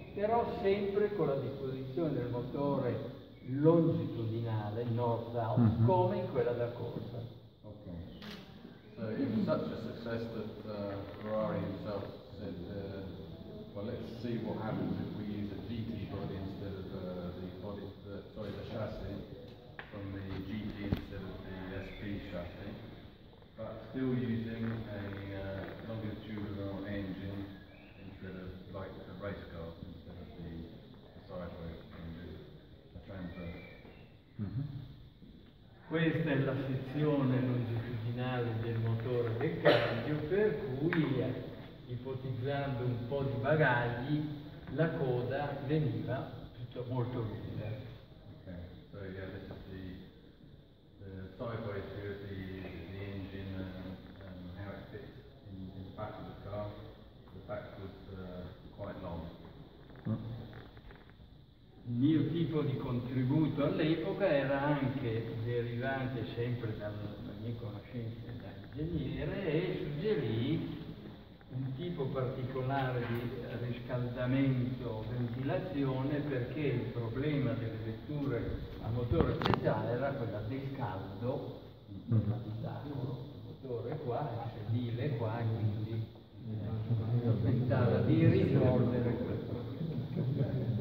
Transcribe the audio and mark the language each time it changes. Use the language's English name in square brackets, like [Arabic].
[Italian] Però sempre con la disposizione del motore longitudinale, [English] north-south, [Italian] come in quella da corsa. Ok. [English] So it was such a success that Ferrari himself said, well, let's see what happens if we use a GT body instead of the chassis from the GT instead of the SP chassis, but still using a longitudinal engine instead of like a race car instead of the sideways engine, a transverse. [Italian] Questa è la sezione longitudinale del motore del cambio, per cui ipotizzando un po' di bagagli la coda veniva tutto molto lunga. [English] So yeah, this is the sideways view of the engine and how it fits in the back of the car. The back was quite long. [Italian] Il mio tipo di contributo all'epoca era anche derivante sempre dalla mia conoscenza da ingegnere, e suggerì un tipo particolare di riscaldamento, ventilazione, perché il problema delle vetture a motore centrale era quella del caldo, l'abitacolo, il motore qua, il sedile qua, quindi aspettava di risolvere questo.